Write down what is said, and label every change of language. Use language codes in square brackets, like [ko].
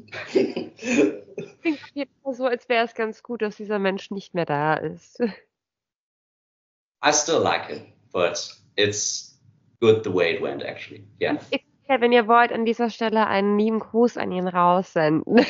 [de] So als wäre es ganz gut, dass dieser Mensch nicht mehr da ist. [en] I still like it, but it's good the way it went, actually. Yeah. [de] Ich, wenn ihr wollt, an dieser Stelle einen lieben Gruß an ihn raussenden.